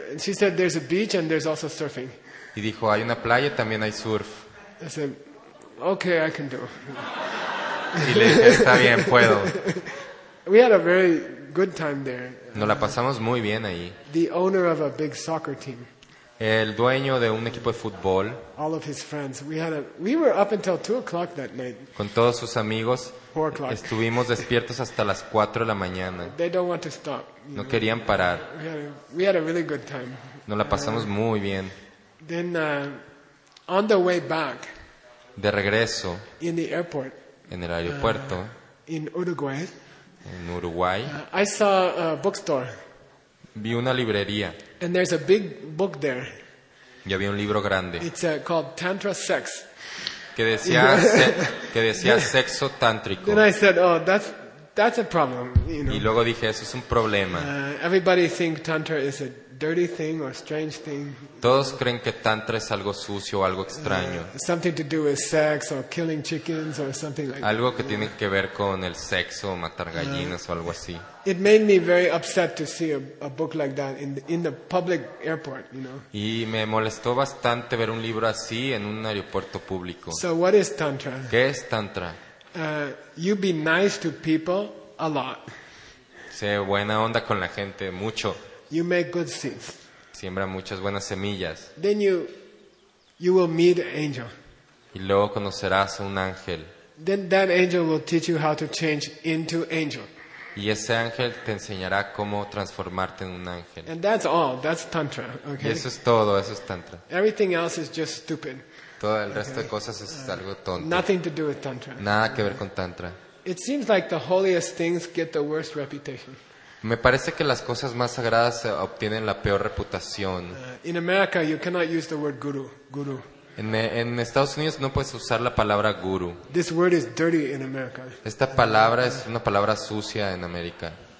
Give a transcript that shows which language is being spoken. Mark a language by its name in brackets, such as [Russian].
[English] And she said, "There's a beach and there's also surfing." [Spanish] Y dijo, hay una playa y también hay surf. [English] I said, "Okay, I can do." [Spanish] Y le dije, está bien, puedo. [English] We had a very good time there. [Spanish] Nos la pasamos muy bien ahí. [English] The owner of a big soccer team. [Spanish] El dueño de un equipo de fútbol. [English] All of his friends. We were up until 2 o'clock that night. [Spanish] Con todos sus amigos. [English] 4 o'clock. [Spanish] Estuvimos despiertos hasta las 4 de la mañana. [English] They don't want to stop. [Spanish] No querían parar. [English] We had a really good time. [Spanish] Nos la pasamos muy bien. [English] Then, on the way back. [Spanish] De regreso. [English] In the airport. [Spanish] En el aeropuerto. [English] In Uruguay. [Spanish] En Uruguay. [English] I saw a bookstore. [Spanish] Vi una librería. [English] And there's a big book there. [Spanish] Y había un libro grande. [English] It's called Tantra Sex. [Spanish] Que decía sexo tántrico. [English] Then I said, "Oh, that's a problem." You know. [Spanish] Y luego dije, eso es un problema. [English] Everybody think Tantra is a dirty thing or strange thing. [Spanish] Todos creen que Tantra es algo sucio o algo extraño. [English] Something to do with sex or killing chickens or something like that. [Spanish] Algo que tiene que ver con el sexo o matar gallinas o algo así. [English] It made me very upset to see a book like that in the public airport, you know. [Spanish] Y me molestó bastante ver un libro así en un aeropuerto público. [English] So what is Tantra? [Spanish] ¿Qué es Tantra? [English] You be nice to people a lot. [Spanish] Sé buena onda con la gente mucho. [English] You make good seeds. [Spanish] Siembra muchas buenas semillas. [English] Then you will meet an angel. [Spanish] Y luego conocerás a un ángel. [English] Then that angel will teach you how to change into angel. [Spanish] Y ese ángel te enseñará cómo transformarte en un ángel. [English] And that's all. That's tantra. Okay. [Spanish] Y eso es todo. Eso es tantra. [English] Everything else is just stupid. [Spanish] Todo el resto de cosas es algo tonto. [English] Nothing to do with tantra. [Spanish] Nada que ver con tantra. [English] It seems like the holiest things get the worst reputation. [Spanish] Me parece que las cosas más sagradas obtienen la peor reputación. [English] In America, you cannot use the word guru. [Spanish] En Estados Unidos no puedes usar la palabra guru. [English] This word is dirty in America. [Spanish] Esta palabra es una palabra sucia en América.